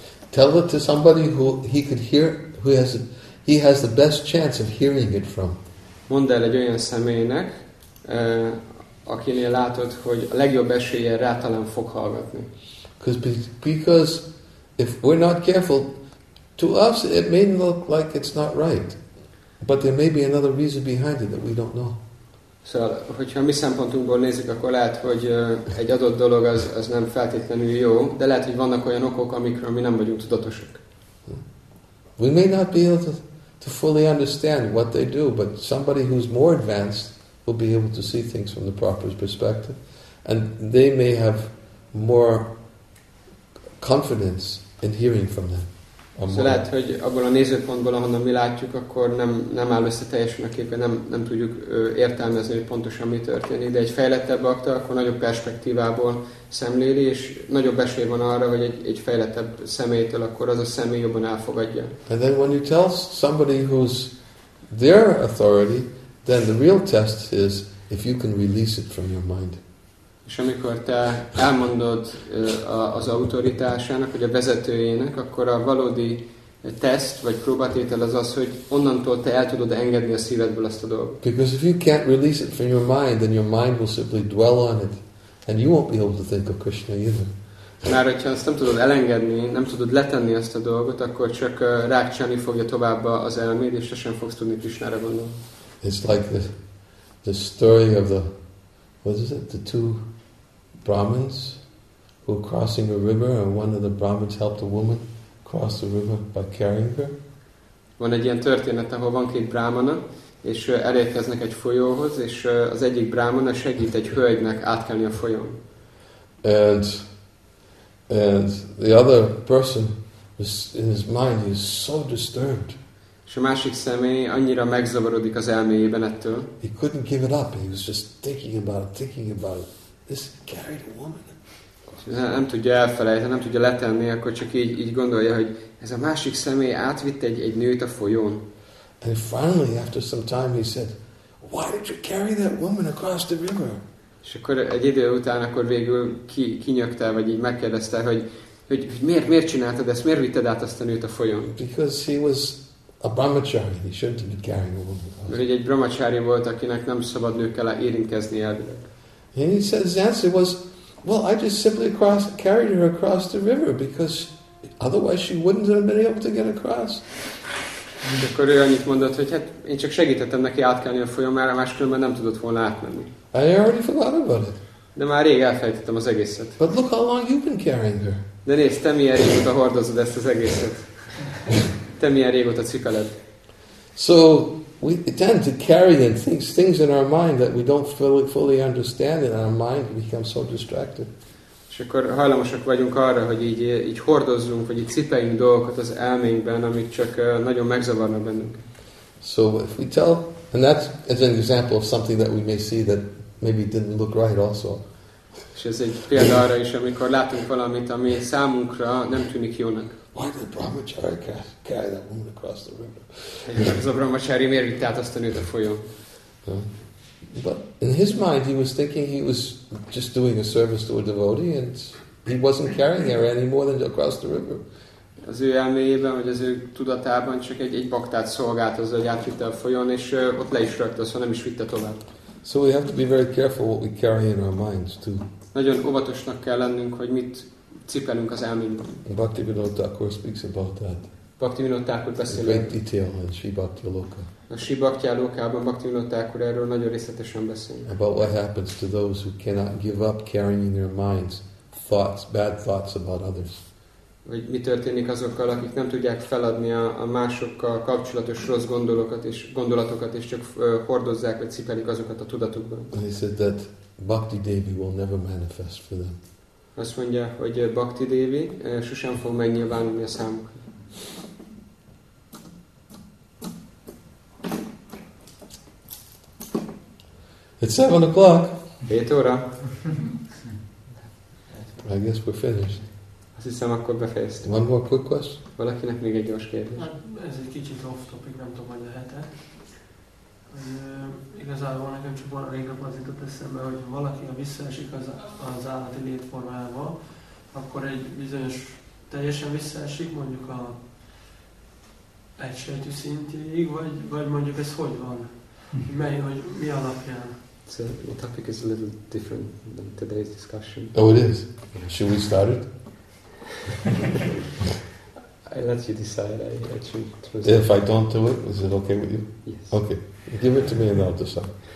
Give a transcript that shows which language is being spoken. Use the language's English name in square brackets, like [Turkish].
[English] Tell it to somebody who he could hear, who has the best chance of hearing it from. [Hungarian] Mondd el egy olyan személynek, akinél látod, hogy a legjobb esélye rá talán fog hallgatni. [English] Because if we're not careful, to us, it may look like it's not right, but there may be another reason behind it that we don't know. [Hungarian] Szóval, hogyha mi szempontunkból nézzük, akkor lehet, hogy egy adott dolog az nem feltétlenül jó, de lehet, hogy vannak olyan okok, amikről mi nem vagyunk tudatosak. [English] We may not be able to fully understand what they do, but somebody who's more advanced will be able to see things from the proper perspective, and they may have more confidence in hearing from them. [Hungarian] Szóval lehet, hogy abból a nézőpontból, ahonnan mi látjuk, akkor nem áll össze teljesen a képe, nem tudjuk értelmezni, hogy pontosan mi történik. De egy fejlettebb akta, akkor nagyobb perspektívából szemléli, és nagyobb esély van arra, hogy egy fejlettebb személytől akkor az a személy jobban elfogadja. [English] And then when you tell somebody who's their authority, then the real test is if you can release it from your mind. [Hungarian] És amikor te elmondod az autoritásának, vagy a vezetőjének, akkor a valódi teszt, vagy próbatétel az, hogy onnantól te el tudod engedni a szívedből ezt a dolgot. [English] Because if you can't release it from your mind, then your mind will simply dwell on it, and you won't be able to think of Krishna either. [Hungarian] Már hogyha azt nem tudod elengedni, nem tudod letenni ezt a dolgot, akkor csak rákcsálni fogja tovább az elméd, és te sem fogsz tudni Krishnára gondolni. [English] It's like the story of the what is it? The two Brahmins who are crossing a river, and one of the Brahmins helped a woman cross the river by carrying her. [Hungarian] Van egy ilyen történet, ahol van két brahmana, és elérkeznek egy folyóhoz, és az egyik brahmana segít egy hölgynek átkelni a folyón. [English] And the other person was in his mind, he is so disturbed. [Hungarian] És a másik személy annyira megzavarodik az elméjében ettől. [English] He couldn't give it up. He was just thinking about it. This carried a woman. [Hungarian] Nem tudja elfelejteni, nem tudja letenni, akkor csak így gondolja, hogy ez a másik személy átvitte egy nőt a folyón. [English] And finally, after some time, he said, why did you carry that woman across the river? [Hungarian] És akkor egy idő után, akkor végül kinyögte, vagy így megkérdezte, hogy miért csináltad ezt, miért vitted át azt a nőt a folyón? [English] Because he was a brahmachari, he shouldn't have been carrying a woman. [Hungarian] Mert egy brahmachari volt, akinek nem szabad nőkkel érintkezni elvileg. [English] And he said his answer was, well, I just simply carried her across the river because otherwise she wouldn't have been able to get across. [Hungarian] De akkor ő annyit mondott, hogy hát én csak segítettem neki átkelni a folyón, mert máskülönben nem tudott volna átmenni. [English] I already forgot about it. [Hungarian] De már rég elfelejtettem az egészet. [English] But look how long you've been carrying her. [Hungarian] De nézd, te milyen régóta hordozod ezt az egészet. Te milyen régóta cipeled. [English] So we tend to carry in things in our mind that we don't fully understand, and our mind becomes so distracted. [Hungarian] És akkor hajlamosak vagyunk arra, hogy így hordozzunk, vagy így cipeljünk dolgokat az elménkben, amik csak nagyon megzavarnak bennünket. [English] So if we tell, and that's as an example of something that we may see that maybe didn't look right also. [Hungarian] És ez egy példa arra is, amikor látunk valamit, ami számunkra nem tűnik jónak. [English] Why did Brahmachari carry that woman across the river? [Hungarian] Ez a Brahmachari miért vitte át azt a nőt a folyón? [English] But in his mind, he was thinking he was just doing a service to a devotee, and he wasn't carrying her any more than across the river. [Hungarian] Az ő elméjében, vagy az ő tudatában csak egy baktát szolgált az, hogy átvitte a folyón, és ott le is rögtön, szóval nem is vitte tovább. [English] So we have to be very careful what we carry in our minds too. [Hungarian] Nagyon óvatosnak kell lennünk, hogy mit cipelünk az elménkben. [English] Bhaktivinoda Thakur speaks about that. [Hungarian] Bhaktivinoda Thakur beszél. [English] Great detail in Sri Bhakti Loka. [Hungarian] A Sri Bhakti Lokában Bhaktivinoda Thakur erről nagyon részletesen beszél. [English] About what happens to those who cannot give up carrying in their minds thoughts, bad thoughts about others. [Hungarian] Vagy mi történik azokkal, akik nem tudják feladni a másokkal kapcsolatos rossz gondolatokat, és csak hordozzák, vagy cipelik azokat a tudatukban. [English] And he said that Bhakti Devi will never manifest for them. [Hungarian] Azt mondja, hogy Bhakti Devi sosem fog megnyilvánulni a számukra. [English] It's 7 o'clock. [Hungarian] 7 óra. [English] I guess we're finished. [Hungarian] Azt hiszem, akkor befejeztem. [English] One more quick question? [Hungarian] Valakinek még egy gyors kérdés. Hát ez egy kicsit off topic, nem tudom, hogy lehet-e. Igazából nekem csak van a régebb az jutott eszembe, hogy valaki, ha visszaesik az állati létformájába, akkor egy bizonyos teljesen visszaesik, mondjuk a egysejtű szintig, vagy mondjuk ez hogy van? Hogy mi alapján? [English] So the topic is a little different than today's discussion. Oh, it is? Should we start it? I let you decide. I let you. If I don't do it, is it okay with you? Yes. Okay. Give it to me and I'll decide.